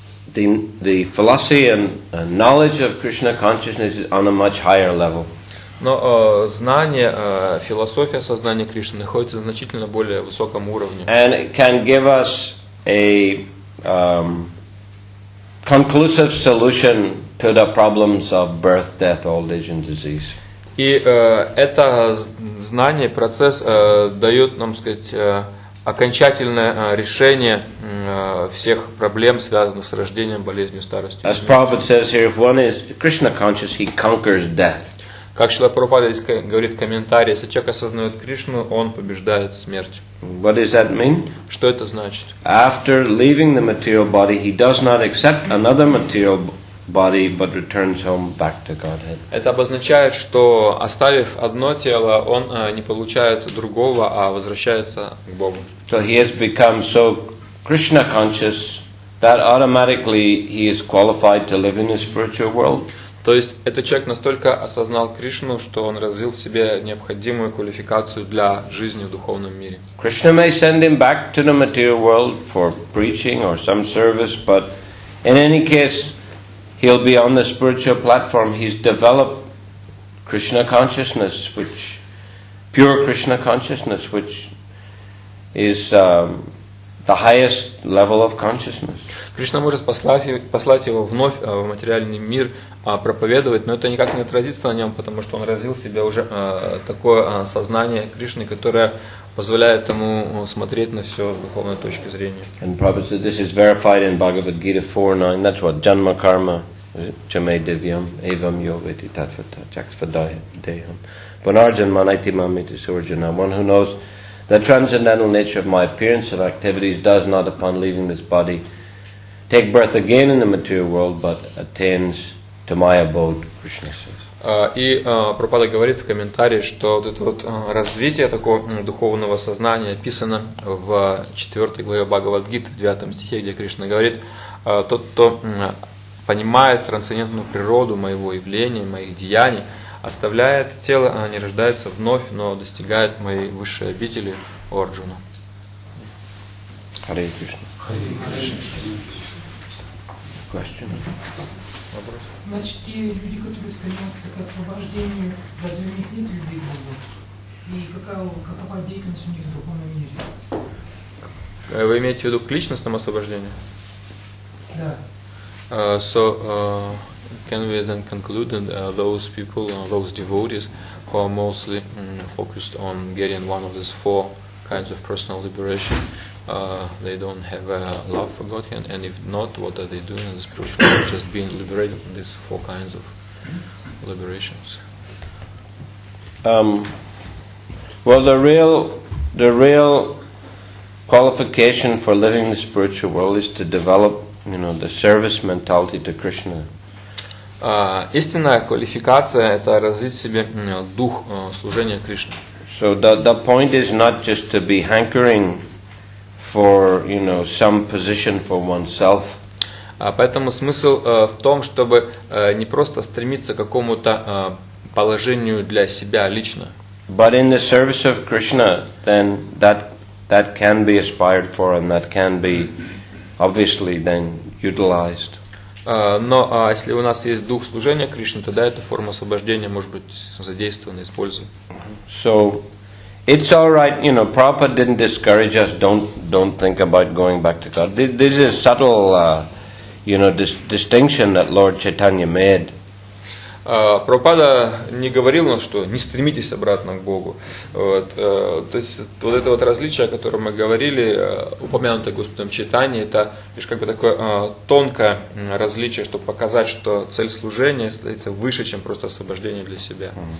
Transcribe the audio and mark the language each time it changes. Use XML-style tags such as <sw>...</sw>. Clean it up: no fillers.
<en>The philosophy and knowledge of Krishna consciousness is on a much higher level.</en> <ru>Но знание, философия сознания Кришны находится на значительно более высоком уровне.</ru> <en>And it can give us a conclusive solution to the problems of birth, death, old age and disease.</en> <ru>И это знание, процесс дает нам, сказать, окончательное решение всех проблем, связанных с рождением, болезнью, старостью.</ru> <en>As Prabhupada says here, if one is Krishna conscious, he conquers death.</en> <ru>Как Шрила Прабхупада говорит в комментарии, если человек осознает Кришну, он побеждает смерть.</ru> <en>What does that mean?</en> <ru>Что это значит?</ru> <en>After leaving the material body, he does not accept another material body, but returns home back to Godhead.</en> <ru>Это обозначает, что оставив одно тело, он не получает другого, а возвращается к Богу.</ru> <en>So he has become so Krishna conscious that automatically he is qualified to live in the spiritual world.</en> <ru>То есть этот человек настолько осознал Кришну, что он развил в себе необходимую квалификацию для жизни в духовном мире.</ru> <en>Krishna may send him back to the material world for preaching or some service, but in any case, he'll be on the spiritual platform. He's developed Krishna consciousness, which pure Krishna consciousness, which is the highest level of consciousness.</en> <ru>Кришна может послать его вновь в материальный мир, проповедовать, но это никак не отразится на нем, потому что он развил в себе уже такое сознание Кришны, которое позволяет ему смотреть на все с духовной точки зрения.</ru> <en>And Prabhupada said, this is verified in Bhagavad Gita 4.9. That's what</en> <sa>janma karma, chame devyam, evam yoveti tatvata, jaksvadayam. Bunarjan manaiti mamiti surjana.</sa> <en>One who knows the transcendental nature of my appearance and activities does not, upon leaving this body, take birth again in the material world, but attains to my abode, Krishna says.</en> <ru>И Прабхупада говорит в комментарии, что вот это вот развитие такого духовного сознания описано в 4 главе Бхагавад-гиты, в 9 стихе, где Кришна говорит, тот, кто понимает трансцендентную природу моего явления, моих деяний, оставляет тело, не рождается вновь, но достигает моей высшей обители Арджуну. Харе Кришна. Значит, те люди, которые стремятся к освобождению, разве у них нет любви к Богу? И какова деятельность у них в духовном мире? Вы имеете в виду к личностному освобождению? Да.</ru> <en>So, can we then conclude that those people, those devotees, who are mostly focused on getting one of these four kinds of personal liberation, they don't have a love for Godhead, and if not, what are they doing in the spiritual world? Just being liberated from these four kinds of liberations. Well, the real qualification for living in the spiritual world is to develop, you know, the service mentality to Krishna.</en> <ru>Истинная квалификация – это развить в себе дух служения Кришне.</ru> <en>So the point is not just to be hankering for, you know, some position for oneself.</en> <ru>Поэтому смысл в том, чтобы не просто стремиться к какому-то положению для себя лично.</ru> <en>But in the service of Krishna, then that can be aspired for, and that can be obviously then utilized.</en> <ru>Но если у нас есть дух служения Кришне, тогда эта форма освобождения может быть задействована, использована.</ru> <en>So it's all right, you know, Prabhupada didn't discourage us, don't think about going back to God. This is a subtle, you know, distinction that Lord Chaitanya made.</en> <ru>Прабхупада не говорил нам, что не стремитесь обратно к Богу. Вот. То есть вот это вот различие, о котором мы говорили, упомянутое Господом Чайтанья, это лишь как бы такое тонкое различие, чтобы показать, что цель служения становится выше, чем просто освобождение для себя.</ru>